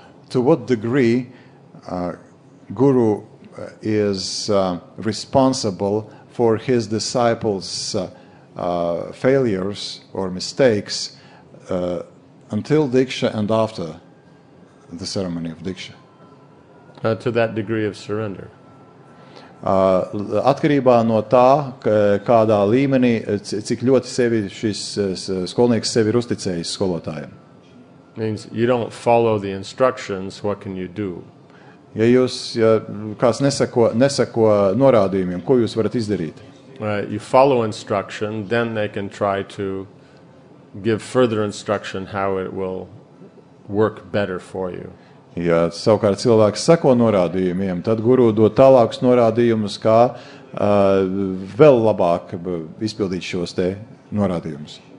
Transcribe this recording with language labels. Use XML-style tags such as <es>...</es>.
<en>To what degree гуру is responsible for his disciples' failures or mistakes until Diksha and after the ceremony of Diksha? To that degree of surrender.</en> <lv>Atkarībā no tā, kādā līmenī, cik ļoti sevi šis skolnieks sevi ir uzticējis skolotājiem.</lv> <en>Means you don't follow the instructions, what can you do?</en> <lv>Ja jūs kāds nesako norādījumiem, ko jūs varat izdarīt?</lv> <en>You follow instruction, then they can try to give further instruction how it will work better for you.</en> <lv>Ja savukārt cilvēks sako norādījumiem, tad guru dod tālākus norādījumus, kā vēl labāk izpildīt šos te norādījumus.</lv>